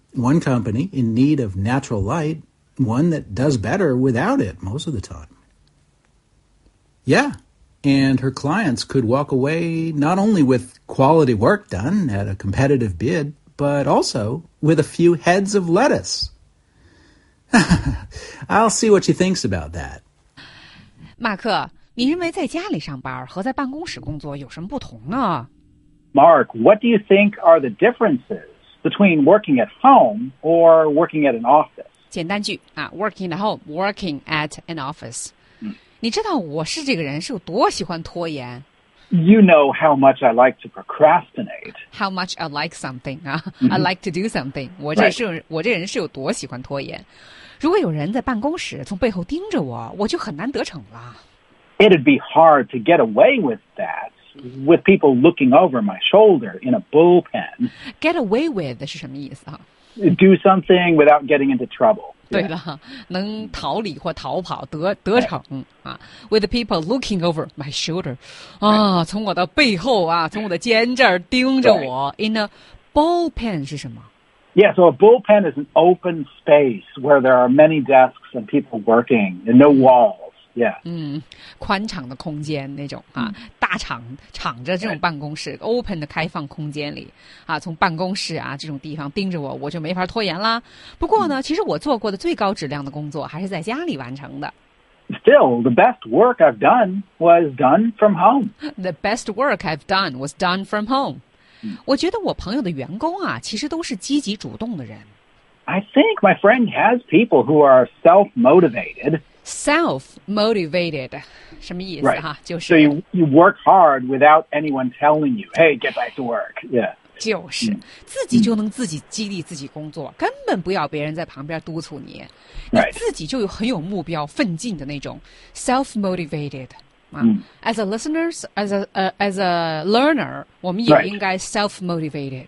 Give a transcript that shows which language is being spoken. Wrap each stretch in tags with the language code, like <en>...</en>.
<en>One company in need of natural light, one that does better without it most of the time. Yeah, and her clients could walk away not only with quality work done at a competitive bid, but also with a few heads of lettuce. I'll see what she thinks about that.</en> <zh>马克，你认为在家里上班和在办公室工作有什么不同呢？</zh> <en>Mark, what do you think are the differences between working at home or working at an office?</en> <zh>简单句啊</zh> <en>,working at home, working at an office.</en> <zh>你知道我是这个人是有多喜欢拖延</zh> <en>？You know how much I like to procrastinate. How much I like something 啊、mm-hmm. ？I like to do something.</en> <zh>我这是、 right. 我这人是有多喜欢拖延？如果有人在办公室从背后盯着我，我就很难得逞了。</zh> <en>It'd be hard to get away with that with people looking over my shoulder in a bullpen. Get away with</en> <zh>是什么意思啊</zh> <en>？Do something without getting into trouble.</en> <zh>对了，能逃离或逃跑得逞啊 ，</zh> <en>with people looking over my shoulder，</en> <zh>啊，从我的背后啊，从我的肩这儿盯着我。</zh> <en>In a bullpen</en> <zh>是什么</zh> <en>？Yeah, so a bullpen is an open space where there are many desks and people working and no walls. Yeah，</en> <zh>嗯，宽敞的空间那种啊，大敞敞着这种办公室 ，open 的开放空间里啊，从办公室啊这种地方盯着我，我就没法拖延啦。不过呢，其实我做过的最高质量的工作还是在家里完成的。</zh> <en>Still, the best work I've done was done from home. The best work I've done was done from home.</en> <zh>我觉得我朋友的员工啊，其实都是积极主动的人。</zh> <en>I think my friend has people who are self-motivated.</en> <zh>Self-motivated, 什么意思、 right. 哈就是</zh> <en>So you work hard without anyone telling you, hey, get back to work. Yeah.</en> <zh>就是、mm. 自己就能自己激励自己工作、mm. 根本不要别人在旁边督促你、 right. 你自己就有很有目标奋进的那种 self-motivated、mm.</zh> <en>As a listener, as a learner,</en> <zh>我们也应该</zh> <en>self-motivated、</en>